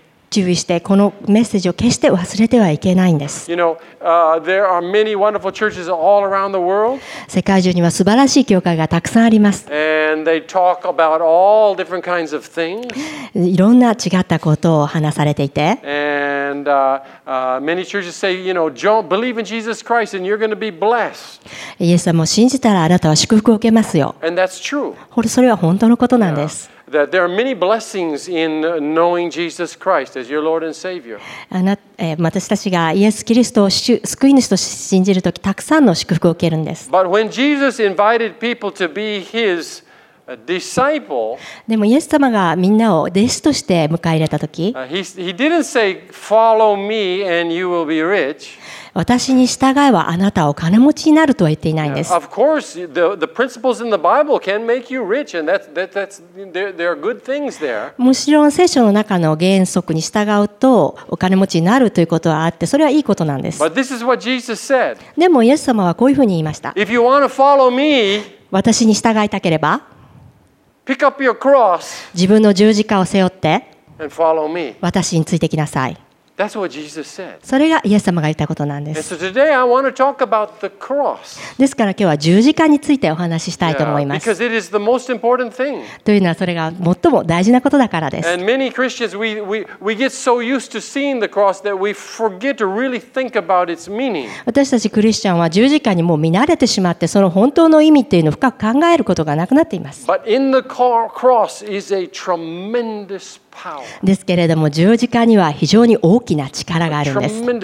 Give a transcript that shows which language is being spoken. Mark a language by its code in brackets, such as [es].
[ja] 注意してこのメッセージを決して忘れてはいけないんです。世界中には素晴らしい教会がたくさんあります。いろんな違ったことを話されていて。 [en] Many churches say, you know, believe in Jesus Christ and you're going to be blessed. [ja] イエス様を信じたらあなたは祝福を受けますよ。 [en] And that's true. [ja] それは本当のことなんです。 [en] Yeah. That there are many blessings in knowing Jesus Christ as your Lord and Savior. [ja] 私たちがイエス・キリストを救い主と信じるときたくさんの祝福を受けるんです。 [en] But when Jesus invited people to be his disciple, [ja] でもイエス様がみんなを弟子として迎え入れたとき、 [en] he didn't say, "Follow me and you will be rich." [ja] 私に従えはあなたを金持ちになるとは言っていないんです。 [en] Of course, the principles in the Bible can make you rich, and that's there are good things there. [ja] もちろん聖書の中の原則に従うとお金持ちになるということはあって、それはいいことなんです。 [en] But this is what Jesus said. [ja] でもイエス様はこういうふうに言いました。 [en] If you want to follow me, [ja] 私に従いたければ、 [en] pick up your cross, [ja] 自分の十字架を背負って、 [en] and follow me. [ja] 私についてきなさい。 [en] That's what Jesus said. [ja] それがイエス様が言ったことなんです。 [en] And so today I want to talk about the cross. [ja] ですから今日は十字架についてお話ししたいと思います。 [en] Because it is the most important thing. [ja] というのはそれが最も大事なことだからです。 [en] And many Christians we get so used to seeing the cross that we forget to really think about its meaning. [ja] 私たちクリスチャンは十字架にもう見慣れてしまってその本当の意味っていうのを深く考えることがなくなっています。 [en] But in the cross is a tremendous power [ja] ですけれども十字架には非常に大きな力があるんです。